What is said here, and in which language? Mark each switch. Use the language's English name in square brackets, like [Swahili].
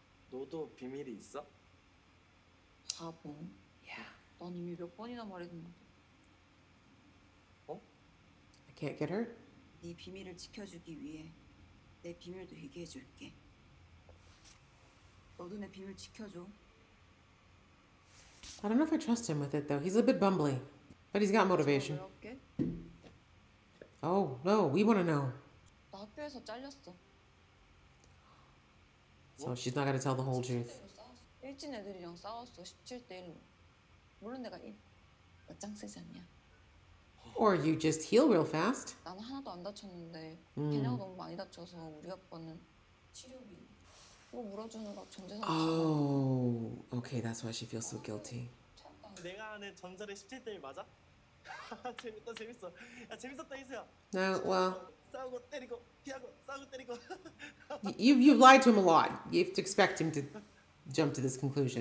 [Korean] 너도 비밀이 있어? 바보. 야. 넌 이미 몇 번이나 말했는데. 어? [English] I can't get hurt. [Korean] 네 비밀을 지켜주기 위해 내 비밀도 얘기해줄게. 너도 내 비밀 지켜줘. [English] I don't know if I trust him with it though. He's a bit bumbly. But he's got motivation. [Korean] 왜 할게? [English] Oh, no. We want to know. [Korean] 나 학교에서 잘렸어. [English] So she's not going to tell the whole truth. [Korean] 일진 애들이랑 싸웠어. 17-1. 물론 내가 일. 나 짱 세지 않냐? [English] Or you just heal real fast. [Korean] 난 하나도 안 다쳤는데 걔네가 너무 많이 다쳐서 우리 아빠는 치료비 [English] Oh, okay, that's why she feels so guilty. [Korean] 내가 하는 전설의 17대1 맞아? 재밌다, 재밌어. 야, 재밌었다, 이수야. [English] No, well. [Korean] 싸우고 때리고, 피하고, 싸우고 때리고. [English] You've lied to him a lot. You have to expect him to jump to this conclusion.